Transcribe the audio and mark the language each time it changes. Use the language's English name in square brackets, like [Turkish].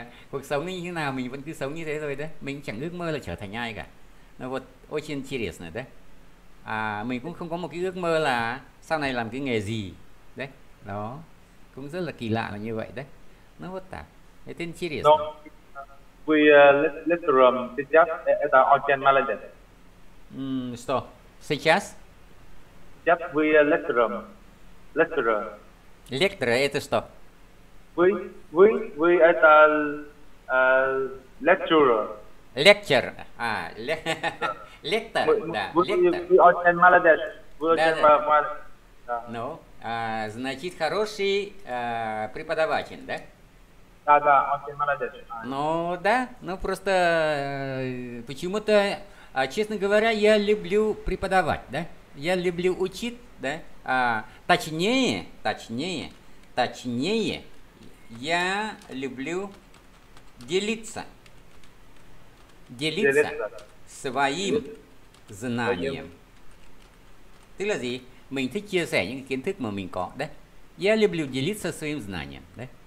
[Vietnamese] Cuộc sống như thế nào mình vẫn cứ sống như thế thôi đấy, mình chẳng ước mơ là trở thành ai cả. [Russian] Nó вот очень интересно, да? [Vietnamese] А, mình cũng không có một cái ước mơ là sau này làm cái nghề gì. Đấy. Đó. Cũng rất là kỳ lạ là như vậy đấy. [Russian] Nó вот так. Это интересно. Вы литером сейчас это очень молодец. Что? Сейчас? Сейчас вы литером. Литером. Лектор это что? Вы это лектор. Лектор. А, лектор. Да. Вы очень молодец. Вы очень молодец. Ну, значит, хороший преподаватель, да? Да, окей, молодец. Ну да, ну просто почему-то, честно говоря, я люблю преподавать, да? Я люблю учить, да? Точнее, точнее, я люблю делиться. Делиться своим знанием. [Vietnamese] Tức là gì? Mình thích chia sẻ những kiến thức mà mình có đấy. [Russian] Я люблю делиться своим знанием, да?